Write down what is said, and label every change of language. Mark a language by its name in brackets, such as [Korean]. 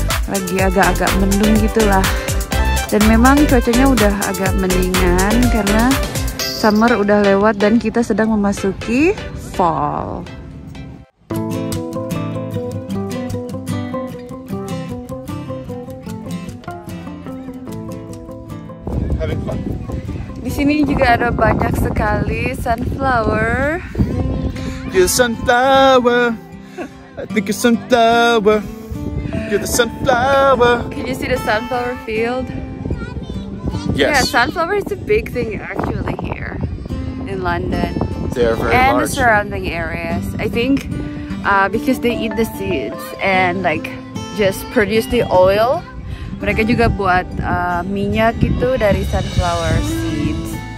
[Indonesian] Lagi agak-agak mendung gitulah. Dan memang cuacanya udah agak mendingan karena summer udah lewat dan kita sedang memasuki fall. Di sini juga ada banyak sekali sunflower. [English] You're the sunflower. I think you're sunflower. You're the sunflower. Can you see the sunflower field? Yes. Yeah, sunflower is a big thing actually here in London. They are very and large. And the surrounding areas. I think because they eat the seeds and like just produce the oil. [Indonesian] Mereka juga buat minyak itu dari sunflower seeds.